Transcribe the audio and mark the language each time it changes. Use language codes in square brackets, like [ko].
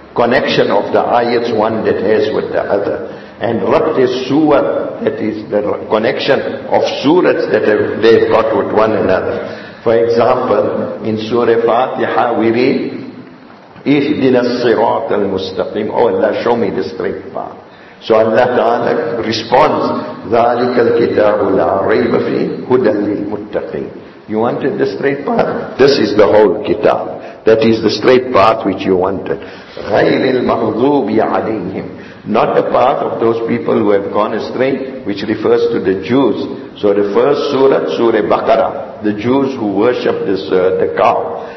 [en] Connection of the ayats, one that has with the other. And rabt-e surah, that is the connection of surahs that they've got with one another. For example, in Surah Fatiha we read, [ar] اِهْدِنَا الصِّرَاطَ الْمُسْتَقِيمِ. [en] Oh Allah, show me the straight path. So Allah Ta'ala responds, [ar] ذَلِكَ الْكِتَابُ لَا رَيْبَ فِي هُدَى لِلْمُتَّقِينَ. [en] You wanted the straight path? This is the whole kitab. That is the straight path which you wanted. [ar] غَيْرِ الْمَغْضُوبِ عَلَيْهِمْ. [en] Not the path of those people who have gone astray, which refers to the Jews. So the first surah, Surah Baqarah, the Jews who worship this the cow.